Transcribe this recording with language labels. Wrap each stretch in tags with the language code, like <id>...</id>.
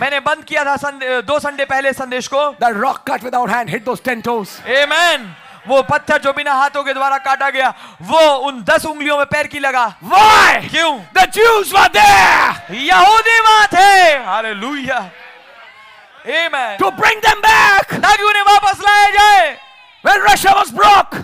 <hi>मैंने बंद किया था दो संडे पहले संदेश को।</hi> <en>The rock cut without hand hit those 10 toes. Amen.</en> <hi>वो पत्थर जो बिना हाथों के द्वारा काटा गया, वो उन 10 उंगलियों में पैर की लगा।</hi> <en>Why?</en> <hi>क्यों?</hi> <en>The Jews were there.</en> <hi>यहूदी वहाँ थे।</hi> <en>Hallelujah. Amen. To bring them back.</en> <hi>ताकि उन्हें वापस लाया जाए।</hi> <en>When Russia was broke.</en>